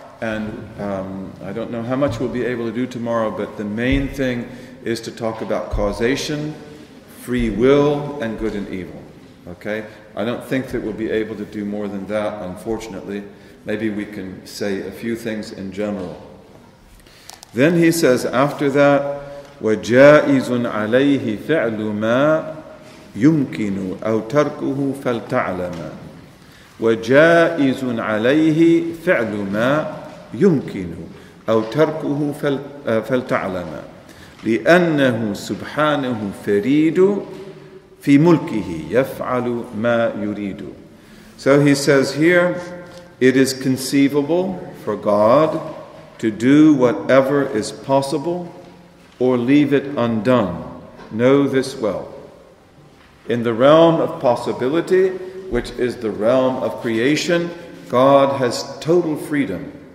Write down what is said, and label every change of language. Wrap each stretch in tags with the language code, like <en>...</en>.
<en>And I don't know how much we'll be able to do tomorrow, but the main thing is to talk about causation, free will, and good and evil. Okay? I don't think that we'll be able to do more than that, unfortunately. Maybe we can say a few things in general. Then he says, after that,</en> <ar>وَجَائِزٌ عَلَيْهِ فِعْلُ مَا يُمْكِنُ أَوْ تَرْكُهُ فَلْتَعْلَمَ وَجَائِزٌ عَلَيْهِ فِعْلُ مَا يُمْكِنُ أَوْ تَرْكُهُ فَلْتَعْلَمَ لِأَنَّهُ سُبْحَانَهُ فَرِيدُ فِي مُلْكِهِ يَفْعَلُ مَا يُرِيدُ.</ar> <en>So he says here, it is conceivable for God to do whatever is possible or leave it undone. Know this well. In the realm of possibility, which is the realm of creation, God has total freedom.</en>